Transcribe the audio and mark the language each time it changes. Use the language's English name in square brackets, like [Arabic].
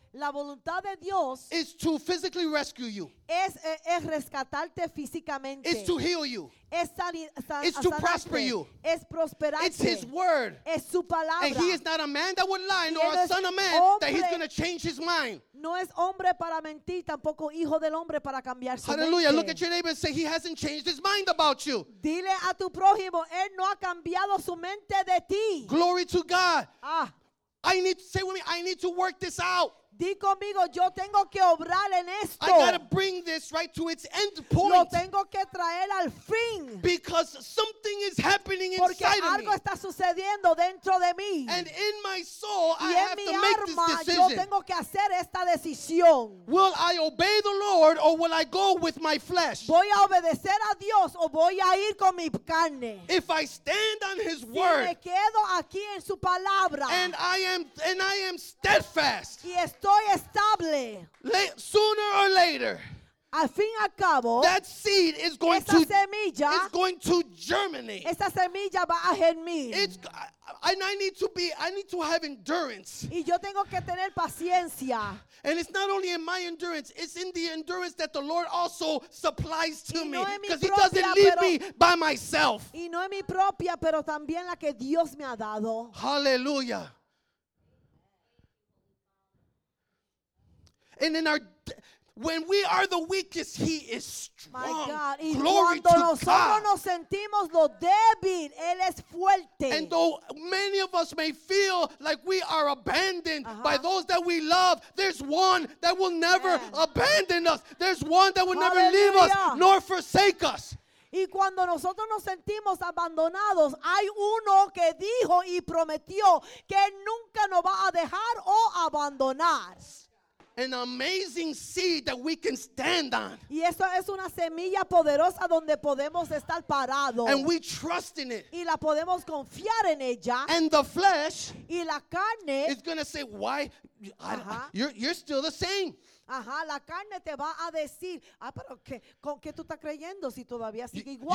[Spanish] La voluntad de Dios [English] is to physically rescue you. [Spanish] Es rescatarte físicamente. [English] It's to heal you. [Spanish] Es sanarte. [English] It's to prosper you. [Spanish] Es prosperarte. [English] It's his word. [Spanish] Es su palabra. [English] And he is not a man that would lie, nor a son of man that he's going to change his mind. [Spanish] No es hombre para mentir, tampoco hijo del hombre para cambiar su Hallelujah. Hallelujah. [English] Look at your neighbor and say, he hasn't changed his mind about you. [Spanish] Dile a tu prójimo, él no ha cambiado su mente de ti. [English] Glory to God. Ah. I need to say with me, I need to work this out. [Spanish] Di conmigo, yo tengo que obrar en esto. [English] I gotta bring this right to its end point. [Spanish] Lo tengo que traer al fin. [English] Because something is happening [Spanish] Porque [English] inside of me. [Spanish] Algo está sucediendo dentro de mí. [English] And in my soul, [Spanish] y [English] I have [Spanish] mi [English] to [Spanish] alma, [English] make this decision. [Spanish] Yo tengo que hacer esta decisión. [English] Will I obey the Lord or will I go with my flesh? [Spanish] Voy a obedecer a Dios o voy a ir con mi carne. [English] If I stand on his [Spanish] si [English] word. [Spanish] Me quedo aquí en su palabra. [English] And I am steadfast. [Spanish] Y estoy estable. [English] Sooner or later, [Spanish] al fin al cabo, [English] that seed is going [Spanish] esa semilla, [English] to is going to germinate. [Spanish] Esa semilla va a germinar. [English] I need to have endurance. [Spanish] Y yo tengo que tener paciencia. [English] And it's not only in my endurance, it's in the endurance that the Lord also supplies to me. Because he doesn't leave me by myself. [Spanish] Y no es mi propia, pero también la que Dios me ha dado. Hallelujah. [English] And in our, when we are the weakest, he is strong. My God. Y glory to God. [Spanish] Nosotros nos sentimos lo débil, él es fuerte. [English] And though many of us may feel like we are abandoned by those that we love, there's one that will never abandon us. There's one that will Hallelujah. Never leave us nor forsake us. [Spanish] Y cuando nosotros nos sentimos abandonados, hay uno que dijo y prometió que nunca nos va a dejar o abandonar. [English] an amazing seed that we can stand on. [Spanish] Y eso es una semilla poderosa donde podemos estar parado. [English] And we trust in it. [Spanish] Y la podemos confiar en ella. [English] And the flesh. [Spanish] Y la carne. [English] Is gonna say, why? You're still the same. [Spanish] Ajá, la carne te va a decir, ah, pero qué, ¿con qué tú estás creyendo si todavía sigue igual?